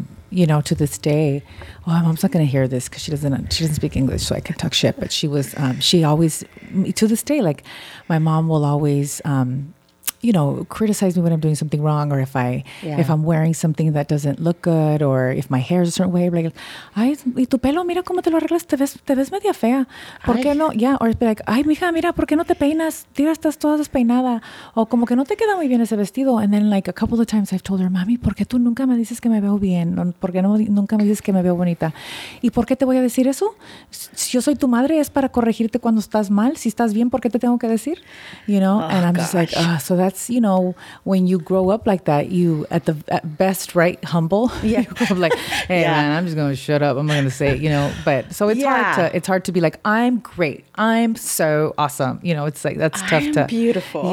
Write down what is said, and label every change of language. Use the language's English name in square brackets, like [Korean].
[English] you know, to this day, well, my mom's not going to hear this because she doesn't speak English, so I can talk shit. But she was, she always, to this day, like, my mom will always, you know, criticize me when I'm doing something wrong, or if I'm wearing something that doesn't look good, or if my hair is a certain way. [Spanish] Like, ay, y tu pelo, mira cómo te lo arreglas, te ves media fea. ¿Por qué no? [English] Yeah, or be like, [Spanish] ay, mija, mira, ¿por qué no te peinas? Tira, estás toda despeinada. O como que no te queda muy bien ese vestido. [English] And then, like, a couple of times I've told her, [Spanish] mami, ¿por qué tú nunca me dices que me veo bien? ¿Por qué no, nunca me dices que me veo bonita? ¿Y por qué te voy a decir eso? Si yo soy tu madre, es para corregirte cuando estás mal. Si estás bien, ¿por qué te tengo que decir? [English] You know? Oh, and I'm gosh. Just like, ah, oh, so that's, you know, when you grow up like that, you at best, right, humble. Yeah. You grow up like, hey, yeah, man, I'm just going to shut up. I'm not going to say it, you know. But so it's hard to be like, I'm great. I'm so awesome. You know, it's like, that's tough. I'm beautiful.